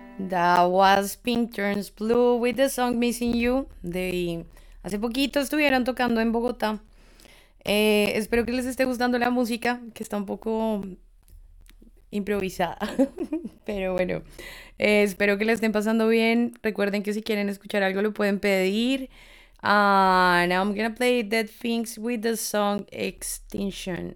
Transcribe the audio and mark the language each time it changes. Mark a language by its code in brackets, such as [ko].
[en] That was Pink Turns Blue with the song Missing You. [es] De hace poquito estuvieron tocando en Bogotá. Espero que les esté gustando la música, que está un poco improvisada. Pero bueno, espero que la estén pasando bien. Recuerden que si quieren escuchar algo lo pueden pedir. [en] Now I'm gonna play Dead Things with the song Extinction.